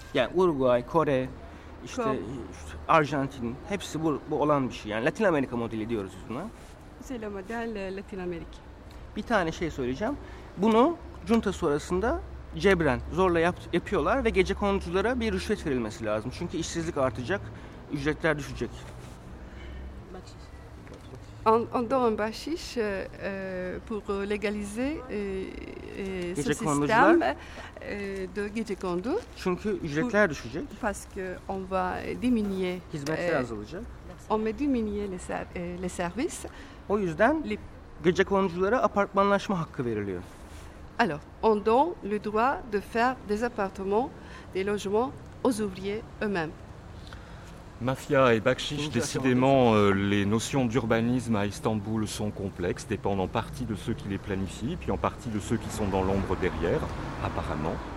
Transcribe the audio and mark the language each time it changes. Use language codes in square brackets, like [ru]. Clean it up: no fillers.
[tr] Yani Uruguay, Kore, işte Arjantin, hepsi bu olan bir şey. Yani Latin Amerika modeli diyoruz buna. [fr] C'est le modèle Latin Amérique. [tr] Bir tane şey söyleyeceğim. Bunu junta sonrasında cebren, zorla yapıyorlar ve gecekonduculara bir rüşvet verilmesi lazım. Çünkü işsizlik artacak, ücretler düşecek. [fr] On donne un bachiche pour légaliser ce système de gece kondu. [tr] Çünkü ücretler düşecek. [fr] Parce qu'on va diminuer. [tr] Hizmetler azalacak. [fr] On va diminuer les services. [tr] O yüzden gece konuculara apartmanlaşma hakkı veriliyor. [fr] Alors, on donne le droit de faire des appartements, des logements aux ouvriers eux-mêmes. Mafia et bakchiche, décidément, les notions d'urbanisme à Istanbul sont complexes, dépendent en partie de ceux qui les planifient, puis en partie de ceux qui sont dans l'ombre derrière, apparemment.